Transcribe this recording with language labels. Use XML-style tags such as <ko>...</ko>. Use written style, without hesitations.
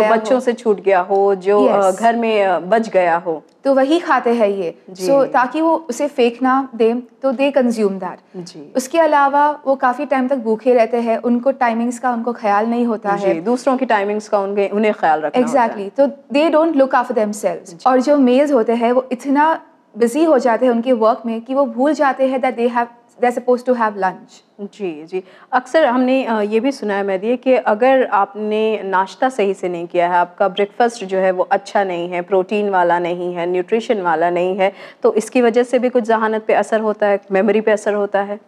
<ur>جو بچوں سے چھوٹ گیا ہو, جو گھر میں بچ گیا ہو, تو وہی کھاتے ہیں یہ. سو تاکہ وہ اسے پھینک نہ دیں تو</ur> <en>They consume that.</en> <ur>اس کے علاوہ وہ کافی ٹائم تک بھوکے رہتے ہیں, ان کو ٹائمنگس کا ان کو خیال نہیں ہوتا ہے, دوسروں کی ٹائمنگس کا انہیں خیال رکھنا.</ur> <en>Exactly, تو they don't look after themselves.</en> <ur>اور جو میلز ہوتے ہیں وہ اتنا بزی ہو جاتے ہیں ان کے ورک میں کہ وہ بھول جاتے ہیں</ur> <en>That they have they're supposed to have lunch.</en> <ur>جی جی, اکثر ہم نے یہ بھی سنا ہے میں دیے کہ اگر آپ نے ناشتہ صحیح سے نہیں کیا ہے, آپ کا بریک فاسٹ جو ہے وہ اچھا نہیں ہے, پروٹین والا نہیں ہے, نیوٹریشن والا نہیں ہے, تو اس کی وجہ سے بھی کچھ ذہانت پہ اثر ہوتا ہے, میموری پہ اثر ہوتا ہے</ur>